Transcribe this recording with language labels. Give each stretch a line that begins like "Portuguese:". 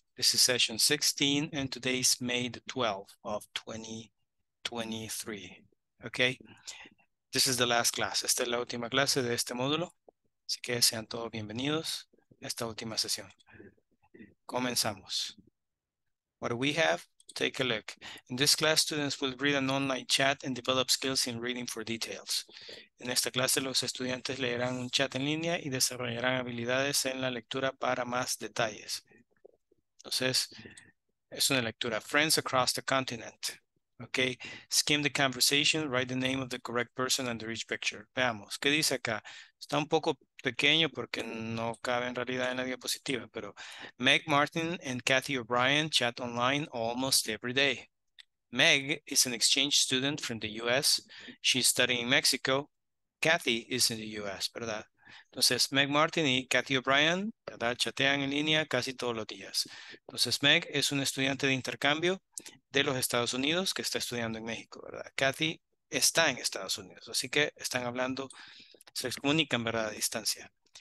English: This is session 16, and today is May the 12th of 2023. Okay, this is the last class.
Spanish: Esta es la última clase de este módulo. Así que sean todos bienvenidos a esta última sesión. Comenzamos.
English: What do we have? Take a look. In this class, students will read an online chat and develop skills in reading for details.
Spanish: En esta clase, los estudiantes leerán un chat en línea y desarrollarán habilidades en la lectura para más detalles. Entonces, es una lectura.
English: Friends across the continent.
Spanish: Okay.
English: Skim the conversation. Write the name of the correct person under each picture.
Spanish: Veamos. ¿Qué dice acá? Está un poco pequeño porque no cabe en realidad en la diapositiva, pero
English: Meg Martin and Kathy O'Brien chat online almost every day. Meg is an exchange student from the U.S. She's studying in Mexico. Kathy is in the U.S., ¿verdad?
Spanish: Entonces, Meg Martin y Kathy O'Brien, ¿verdad?, chatean en línea casi todos los días. Entonces, Meg es un estudiante de intercambio de los Estados Unidos que está estudiando en México, ¿verdad? Kathy está en Estados Unidos, así que están hablando, se comunican, ¿verdad?, a distancia.